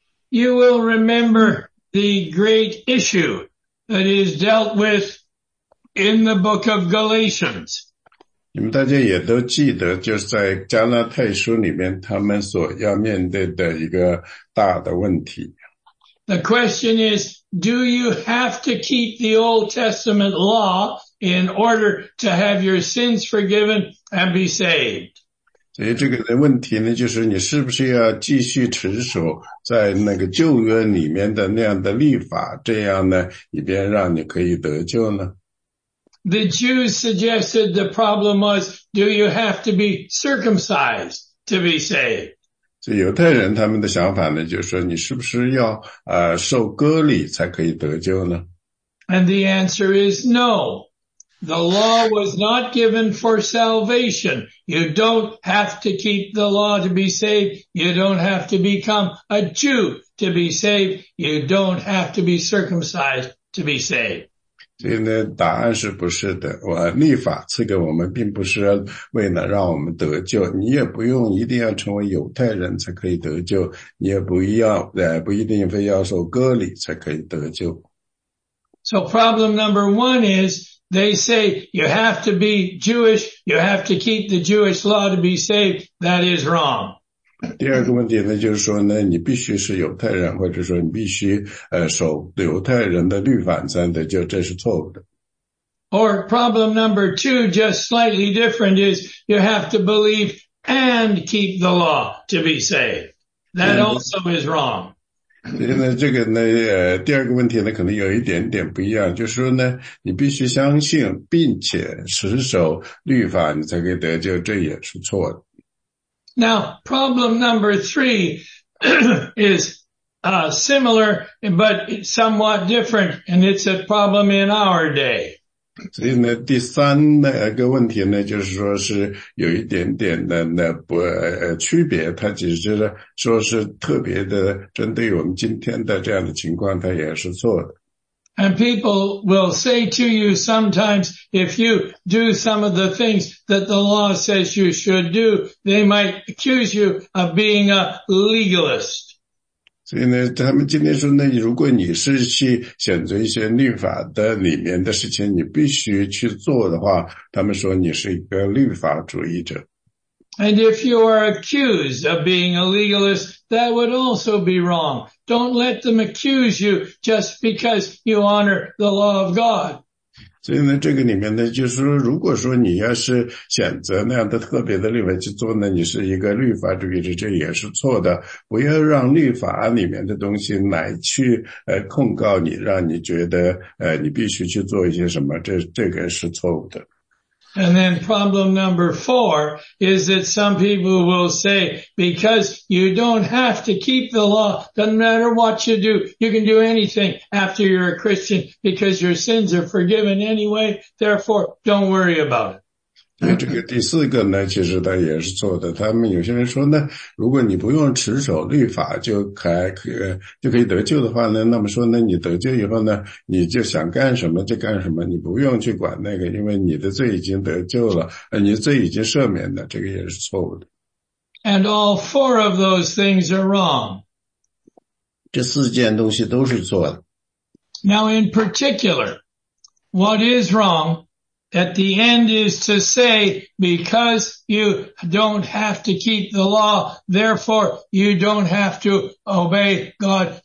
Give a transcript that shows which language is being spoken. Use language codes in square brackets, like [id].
[en] You will remember the great issue that is dealt with in the book of Galatians. [zh] 你们大家也都记得，就是在加拉太书里面他们所要面对的一个大的问题。 [en] The question is, do you have to keep the Old Testament law in order to have your sins forgiven and be saved? [zh] 所以这个的问题呢，就是你是不是要继续持守在那个旧约里面的那样的律法，这样呢，以便让你可以得救呢？ [en] The Jews suggested the problem was, do you have to be circumcised to be saved? [zh] 所以犹太人他们的想法呢，就是说你是不是要受割礼才可以得救呢？ [en] And the answer is no. The law was not given for salvation. You don't have to keep the law to be saved. You don't have to become a Jew to be saved. You don't have to be circumcised to be saved. [zh] 所以呢，答案是不是的？我立法赐给我们，并不是为了让我们得救。你也不用一定要成为犹太人才可以得救，你也不要，不一定非要受割礼才可以得救。 [en] So problem number one is, they say you have to be Jewish, you have to keep the Jewish law to be saved. That is wrong. [zh] 第二个问题呢，就是说呢，你必须是犹太人，或者说你必须守犹太人的律法才得救，这是错误的。 [en] Or problem number two, just slightly different, is you have to believe and keep the law to be saved. That also is wrong. [zh] 现在这个呢，第二个问题呢，可能有一点点不一样，就是说呢，你必须相信并且持守律法，你才可以得救，这也是错的。 [en] Now, problem number three is similar, but somewhat different, and it's a problem in our day. [zh] 所以呢，第三个问题呢，就是说是有一点点的那不区别，它只是说是特别的针对我们今天的这样的情况，它也是错的。 [en] And people will say to you sometimes, if you do some of the things that the law says you should do, they might accuse you of being a legalist. [zh] 所以呢，他们今天说呢，如果你是去选择一些律法的里面的事情，你必须去做的话，他们说你是一个律法主义者。 [en] And if you are accused of being a legalist, that would also be wrong. Don't let them accuse you just because you honor the law of God. [zh] 所以呢，这个里面呢，就是说，如果说你要是选择那样的特别的律法去做呢，你是一个律法主义者，这也是错的。不要让律法里面的东西来去控告你，让你觉得你必须去做一些什么，这个是错误的。 [en] And then problem number four is that some people will say, because you don't have to keep the law, doesn't matter what you do, you can do anything after you're a Christian because your sins are forgiven anyway, therefore don't worry about it. [zh] 这个第四个呢，其实他也是错的。他们有些人说呢，如果你不用持守律法就可以得救的话呢，那么说呢，你得救以后呢，你就想干什么就干什么，你不用去管那个，因为你的罪已经得救了，你的罪已经赦免了，这个也是错误的。 [en] And all four of those things are wrong. [zh] 这四件东西都是错的。 [en] Now in particular, what is wrong? At the end is to say, because you don't have to keep the law, therefore you don't have to obey God.